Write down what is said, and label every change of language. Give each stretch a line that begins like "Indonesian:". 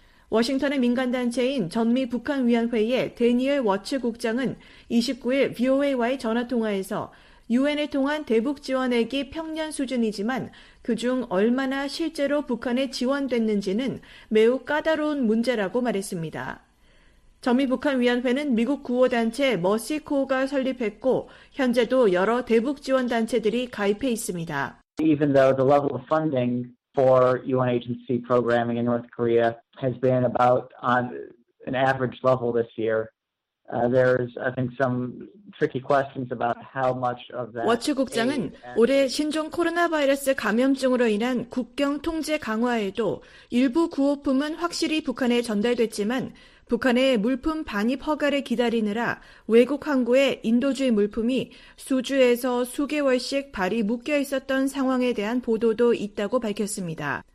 Korean: 워싱턴의 민간단체인 전미북한위원회의 대니얼 워츠 국장은 29일 VOA와의 전화통화에서 UN을 통한 대북지원액이 평년 수준이지만 그중 얼마나 실제로 북한에 지원됐는지는 매우 까다로운 문제라고 말했습니다. 전미북한위원회는 미국 구호단체 머시코가 설립했고 현재도 여러 대북지원단체들이 가입해 있습니다.
English: Even though the level of funding for UN agency programming in North Korea has been about on an average level this year. There's I think some tricky questions about how much of that.
Korean: 워츠 국장은 올해 신종 코로나 바이러스 감염증으로 인한 국경 통제 강화에도 일부 구호품은 확실히 북한에 전달됐지만 북한의 물품 반입 허가를 기다리느라 외국 항구에 인도주의 물품이 수주에서 수개월씩 발이 묶여 있었던 상황에 대한 보도도 있다고 밝혔습니다.